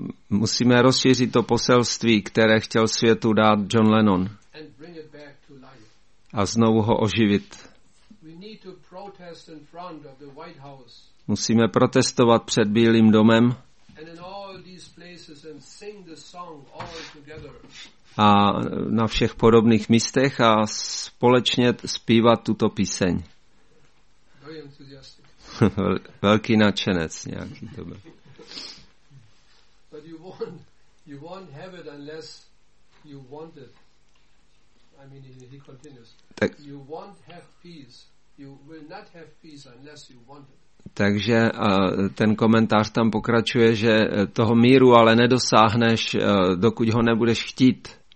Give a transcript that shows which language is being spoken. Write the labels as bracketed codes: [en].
[cs] Musíme rozšířit to poselství, které chtěl světu dát John Lennon. [en] And bring it back to life. [cs] A znovu ho oživit. [en] We need to protest in front of the White House. [cs] Musíme protestovat před Bílým domem. [en] And in all these places and sing the song all together. [cs] A na všech podobných místech a společně zpívat tuto píseň. [en] Very enthusiastic. [cs] Velký nadšenec nějaký to byl. [en] But you won't have it unless you want it. I mean he continues. [cs] Tak, [en] you won't have peace. You will not have peace unless you want it. [cs] Takže ten komentář tam pokračuje, že toho míru ale nedosáhneš, dokud ho nebudeš chtít.